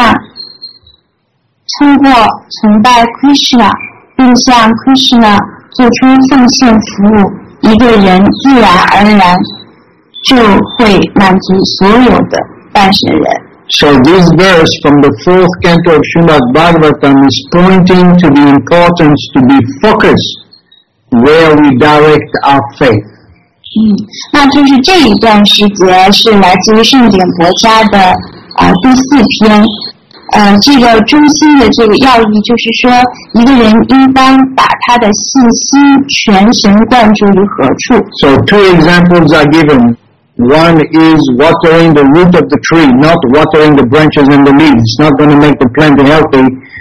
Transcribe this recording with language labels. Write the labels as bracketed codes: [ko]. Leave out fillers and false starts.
[zh] 给树根浇水，树干、枝条、细枝自然都得到了满足。同样，给胃喂食，生命之气就得到了滋养，所有的感官皆得到满足。同样，通过崇拜 Krishna 并向 Krishna 做出奉献服务，一个人自然而然就会满足所有的伴随人。 [en] So this verse from the fourth canto of Srimad Bhagavatam is pointing to the importance to be focused where we direct our faith. [zh] 那就是这一段诗节是来自于圣典伯家的第四篇，这个中心的这个要义就是说，一个人应当把他的信心全神贯注于何处。 [en] So two examples are given. One is watering the root of the tree, not watering the branches and the leaves. It's not going to make the plant healthy.